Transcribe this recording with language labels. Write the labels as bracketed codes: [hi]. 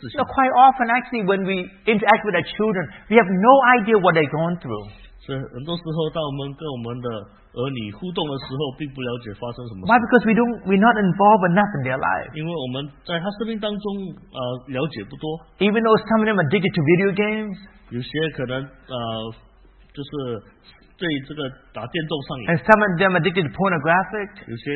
[en] Quite often, actually, when we interact with our children, we have no idea what they're going through. [zh] 所以很多时候，当我们跟我们的儿女互动的时候，并不了解发生什么事。 [en] Why? Because we're not involved enough in their life. [zh] 因为我们在他生命当中，了解不多。 [en] Even though some of them are addicted to video games, [zh] 有些可能就是对这个打电动上瘾。 [en] And some of them are addicted to pornographic.